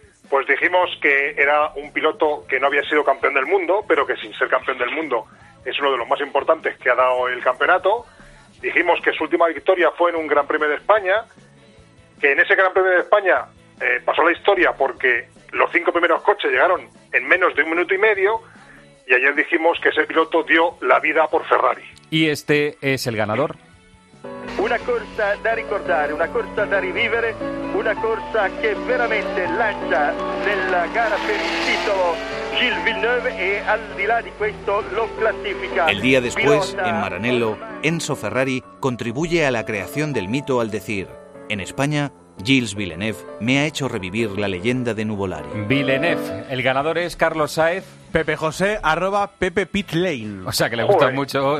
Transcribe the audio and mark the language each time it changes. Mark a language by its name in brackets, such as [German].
[Spanish] Pues dijimos que era un piloto que no había sido campeón del mundo, pero que sin ser campeón del mundo es uno de los más importantes que ha dado el campeonato. Dijimos que su última victoria fue en un Gran Premio de España, que en ese Gran Premio de España pasó la historia porque los 5 primeros coches llegaron en menos de 1 minuto y medio, y ayer dijimos que ese piloto dio la vida por Ferrari. Y este es el ganador. [Italian] Una corsa da ricordare, una corsa da rivivere, una corsa que veramente lancia nella gara per il titolo Gilles Villeneuve, e al di là di questo lo classifica. [Spanish] El día después, en Maranello, Enzo Ferrari contribuye a la creación del mito al decir: en España, Gilles Villeneuve me ha hecho revivir la leyenda de Nuvolari. Villeneuve, el ganador es Carlos Sáez. Pepe José, @ Pepe Pit Lane. O sea que le gusta mucho